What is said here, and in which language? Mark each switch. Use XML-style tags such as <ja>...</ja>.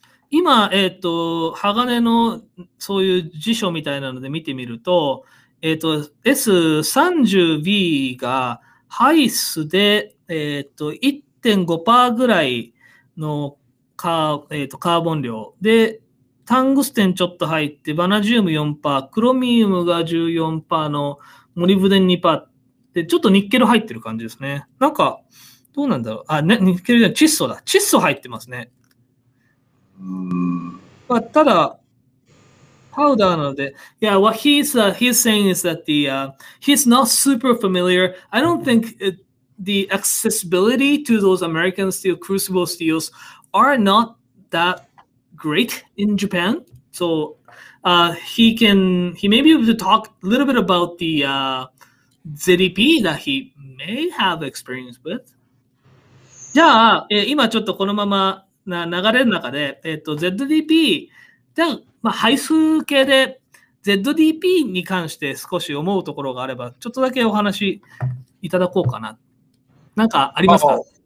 <ja>今、鋼のそういう辞書みたいなので見てみると、S30V がハイスで、1.5% ぐらいのカーボン量で、タングステンちょっと入って、バナジウム 4%、クロミウムが 14% のモリブデン 2% で、ちょっとニッケル入ってる感じですね。なんか、どうなんだろう。あ、ね、ニッケルじゃない、窒素だ。窒素入ってますね。まあ、ただ、パウダーなので。</ja> <en>Yeah, what he's saying is that he's not super familiar. I don't think the accessibility to those American steel, crucible steels are not that great in Japan. So,he may be able to talk a little bit about the ZDP that he may have experience with.</en> <ja>じゃあ、今ちょっとこのままな流れの中で、ZDP、じゃあ、まあ、配数系で ZDP に関して少し思うところがあれば、ちょっとだけお話しいただこうかな。なんかありますか？</ja>